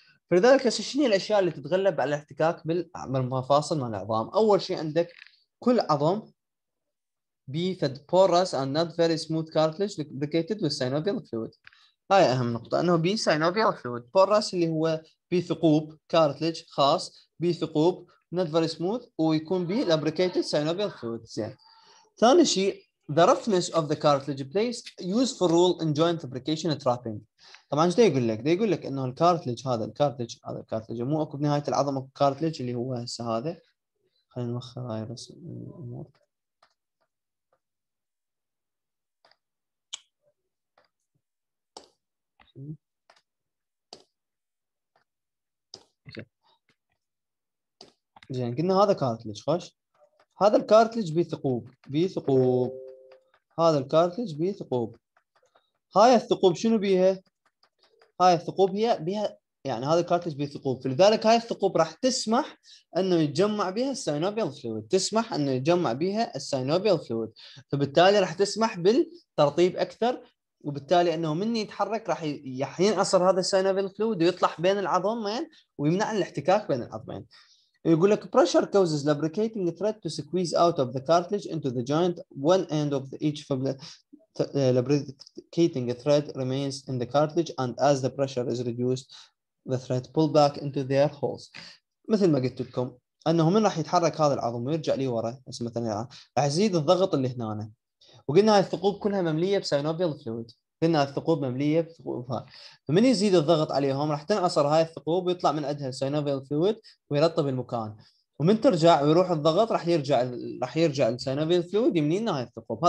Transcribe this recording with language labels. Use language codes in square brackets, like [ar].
[ar] فلذلك هسه شنو الاشياء اللي تتغلب على الاحتكاك بالمفاصل مال العظام؟ اول شيء عندك كل عظم بي فد [en] Pores and not very smooth cartilage lubricated with synovial fluid. [ar] هاي اهم نقطه، انه بي سينوفيال فلويد. بورس اللي هو بي ثقوب، كارتليج خاص بي ثقوب [en] not very smooth [ar] ويكون بي لوبريكيتد سينوفيال فلويد. زين، ثاني شيء [en] the roughness of the cartilage plays useful role in joint fabrication and trapping. [ar] طبعا ايش يقول لك؟ يقول لك انه الكارتلج هذا، الكارتلج هذا، الكارتلج مو اكو بنهايه العظم اكو كارتلج اللي هو هسه هذا. خلينا نوخر هاي بس الامور. زين، قلنا هذا كارتلج، خوش. هذا الكارتلج بيه ثقوب، بيه ثقوب. هذا الكارتلج بيه ثقوب. هاي الثقوب شنو بيها؟ هاي الثقوب هي بها يعني هذا الكارتلج بيه ثقوب، فلذلك هاي الثقوب راح تسمح انه يتجمع بها السينوفيال فلويد، تسمح انه يتجمع بها السينوفيال فلويد، فبالتالي راح تسمح بالترطيب اكثر، وبالتالي انه من يتحرك راح ينعصر هذا السينوفيال فلويد ويطلع بين العظمين ويمنع الاحتكاك بين العظمين. يقول لك [en] pressure causes lubricating thread to squeeze out of the cartilage into the joint. One end of each lubricating thread remains in the cartilage, and as the pressure is reduced, the thread pull back into their holes. [ar] مثل ما قلت لكم انه من راح يتحرك هذا العظم ويرجع لي ورا مثلا يعني. راح يزيد الضغط اللي هنا أنا. وقلنا هاي الثقوب كلها مملية بسينوفيال فلويد. قلنا الثقوب مملية بثقوبها، فمن يزيد الضغط عليهم راح تنعصر هاي الثقوب ويطلع من عندها السينوفيال فلويد ويرطب المكان، ومن ترجع ويروح الضغط راح يرجع السينوفيال فلويد يمنينا هاي الثقوب.